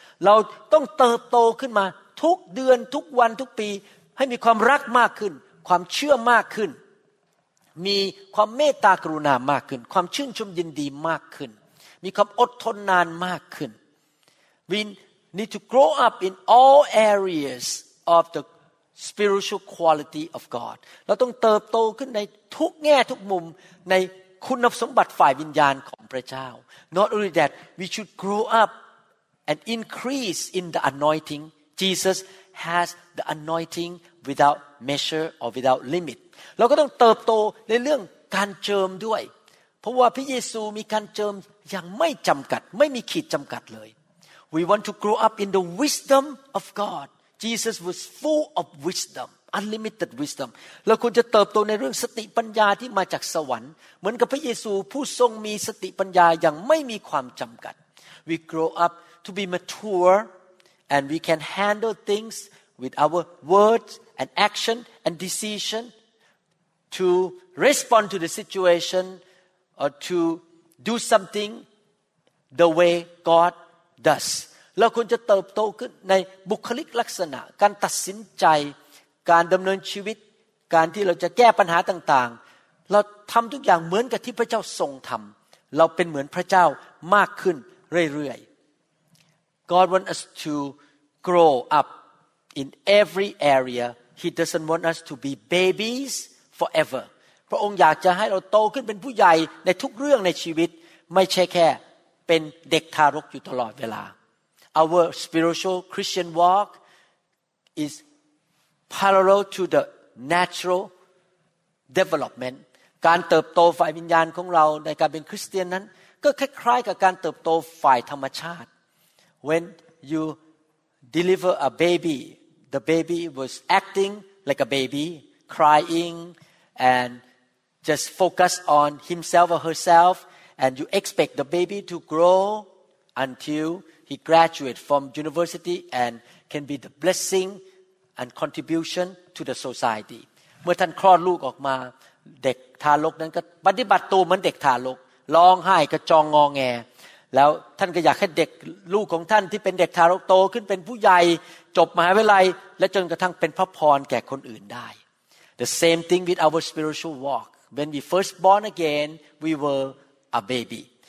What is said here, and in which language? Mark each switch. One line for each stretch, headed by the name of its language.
Thai: เราต้องเติบโตขึ้นมาทุกเดือนทุกวันทุกปีให้มีความรักมากขึ้นความเชื่อมากขึ้นมีความเมตตากรุณามากขึ้นความชื่นชมยินดีมากขึ้นมีความอดทนนานมากขึ้น
English: We need to grow up in all areas of the spiritual quality of God
Thai: เราต้องเติบโตขึ้นในทุกแง่ทุกมุมในคุณสมบัติฝ่ายวิญญาณของพระเจ้า
English: Not only that we should grow up and increase in the anointing Jesus has the anointing without measure or without limit
Thai: เราก็ต้องเติบโตในเรื่องการเจิมด้วยเพราะว่าพระเยซูมีการเจิมอย่างไม่จำกัดไม่มีขีดจำกัดเลย
English: We want to grow up in the wisdom of God. Jesus was full of wisdom, unlimited wisdom.
Thai: เราควรจะเติบโตในเรื่องสติปัญญาที่มาจากสวรรค์เหมือนกับพระเยซูผู้ทรงมีสติปัญญาอย่างไม่มีความจำกัด
English: We grow up to be mature and we can handle things with our words and action and decisionTo respond to the situation or to do something the way God does.
Thai: เราควรจะเติบโตขึ้นในบุคลิกลักษณะการตัดสินใจการดำเนินชีวิตการที่เราจะแก้ปัญหาต่างๆเราทำทุกอย่างเหมือนกับที่พระเจ้าทรงทำเราเป็นเหมือนพระเจ้ามากขึ้นเรื่อย
English: ๆ God wants us to grow up in every area. He doesn't want us to be babies. Forever.
Thai: พระองค์อยากจะให้เราโตขึ้นเป็นผู้ใหญ่ในทุกเรื่องในชีวิตไม่ใช่แค่เป็นเด็กทารกอยู่ตลอดเวลา
English: Our spiritual Christian walk is parallel to the natural development.
Thai: การเติบโตฝ่ายวิญญาณของเราในการเป็นคริสเตียนนั้นก็คล้ายๆกับการเติบโตฝ่ายธรรมชาติ
English: When you deliver a baby, the baby was acting like a babyCrying and just focus on himself or herself, and you expect the baby to grow until he graduates from university and can be the blessing and contribution to the society.
Thai: เมื่อท่านคลอดลูกออกมาเด็กทารกนั้นก็ปฏิบัติตัวเหมือนเด็กทารกร้องไห้กระจองงอแงแล้วท่านก็อยากให้เด็กลูกของท่านที่เป็นเด็กทารกโตขึ้นเป็นผู้ใหญ่จบมหาวิทยาลัยและจนกระทั่งเป็นพระพรแก่คนอื่นได้
English: The same thing with our spiritual walk. When we first born again, we were a baby.